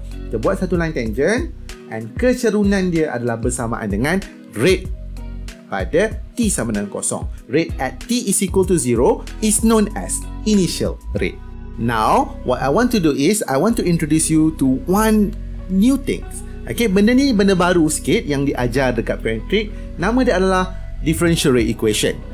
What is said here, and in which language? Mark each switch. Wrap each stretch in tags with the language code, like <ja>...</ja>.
<ms>Kita buat satu line tangent and kecerunan dia adalah bersamaan dengan rate pada t sama dengan 0.</ms> <en>Rate at t is equal to 0 is known as initial rate. Now, what I want to do is I want to introduce you to one new thing.</en> <ms>Okay, benda ni benda baru sikit yang diajar dekat parametric. Nama dia adalah differential rate equation.</ms>